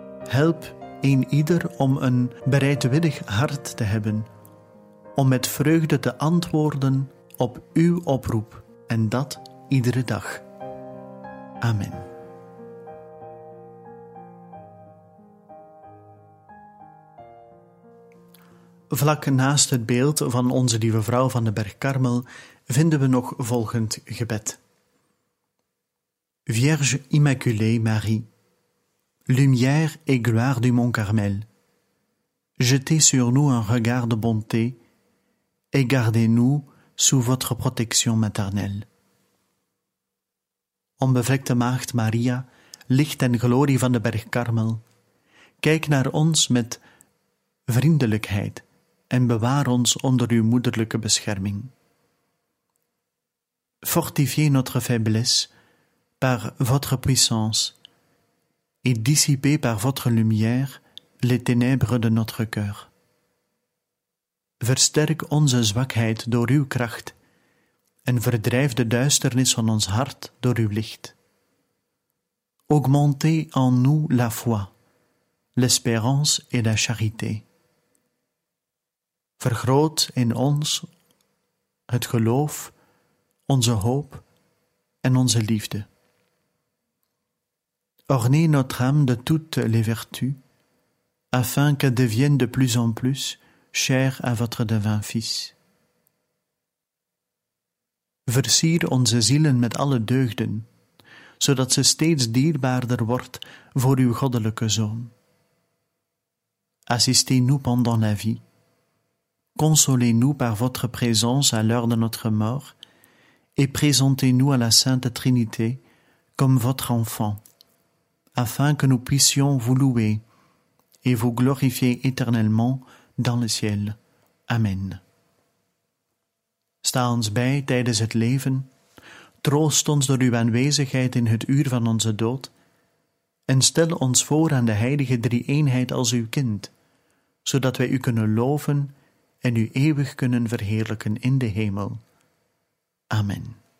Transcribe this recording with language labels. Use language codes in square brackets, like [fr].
[nl] Help een ieder om een bereidwillig hart te hebben, om met vreugde te antwoorden op uw oproep en dat iedere dag. Amen. Vlak naast het beeld van Onze Lieve Vrouw van de Berg Karmel vinden we nog volgend gebed. [fr] Vierge Immaculée Marie, lumière et gloire du Mont Carmel, jetez sur nous un regard de bonté et gardez-nous sous votre protection maternelle. [nl] Onbevlekte Maagd Maria, licht en glorie van de Berg Karmel, kijk naar ons met vriendelijkheid en bewaar ons onder uw moederlijke bescherming. [fr] Fortifiez notre faiblesse par votre puissance et dissipez par votre lumière les ténèbres de notre cœur. [nl] Versterk onze zwakheid door uw kracht en verdrijf de duisternis van ons hart door uw licht. [fr] Augmentez en nous la foi, l'espérance et la charité. [nl] Vergroot in ons het geloof, onze hoop en onze liefde. [fr] Ornez notre âme de toutes les vertus, afin qu'elle devienne de plus en plus chère à votre divin Fils. [nl] Versier onze zielen met alle deugden, zodat ze steeds dierbaarder wordt voor uw goddelijke Zoon. [fr] Assistez-nous pendant la vie. Consolez-nous par votre présence à l'heure de notre mort et présentez-nous à la Sainte Trinité comme votre enfant, afin que nous puissions vous louer et vous glorifier éternellement dans le ciel. Amen. [nl] Sta ons bij tijdens het leven, troost ons door uw aanwezigheid in het uur van onze dood en stel ons voor aan de heilige drie-eenheid als uw kind, zodat wij u kunnen loven en u eeuwig kunnen verheerlijken in de hemel. Amen.